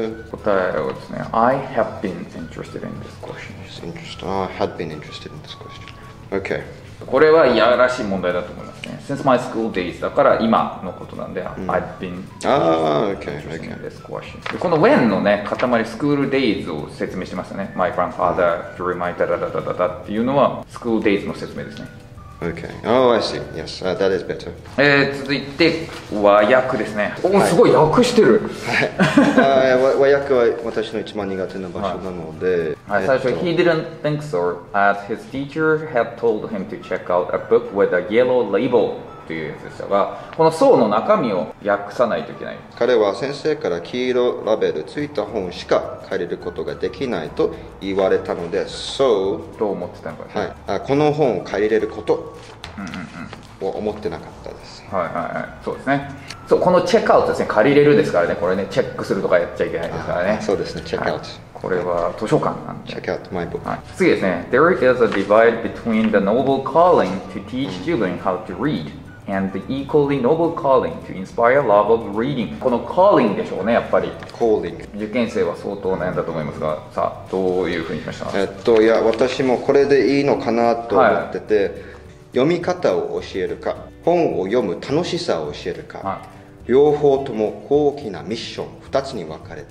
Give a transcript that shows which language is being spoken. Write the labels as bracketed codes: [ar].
[en] 答えをですね I have been interested in this question. Just interested. I had been interested in this question. Okay. [ja] これはいやらしい問題だと思いますね。 [en] Since my school days だから今のことなんで、 I've been interested [ja] in this question. この when のね、塊 school days を説明してますね。 My grandfather drew my da da da da da っていうのは school days の説明ですね。 [en] Okay. Oh, I see. Yes, that is better. [ja] 続いて和訳ですね。おお、すごい訳してる。和訳は私の一番苦手な場所なので。 [en] はい、最初、 He didn't think so, as his teacher had told him to check out a book with a yellow label というやつでしたが、この層の中身を訳さないといけない。 [ja] 彼は先生から黄色ラベルついた本しか借りることができないと言われたので、 So どう思ってたのか、はい、この本を借りれることを思ってなかったです、はいはいはい、そうですね。そう、このチェックアウトですね、借りれるですからね、これね、チェックするとかやっちゃいけないですからね。そうですね、チェックアウト、はい、これは図書館なんで。 [en] Check out my book. [ja] 次ですね。 [en] There is a divide between the noble calling to teach children how to read and the equally noble calling to inspire love of reading. [ja] この calling でしょうね、やっぱり。 [en] calling。 [ja] 受験生は相当悩んだと思いますが、さあ、どういうふうにしました？いや、私もこれでいいのかなと思ってて、はい、読み方を教えるか、本を読む楽しさを教えるか、はい、両方とも高貴なミッション2つに分かれて。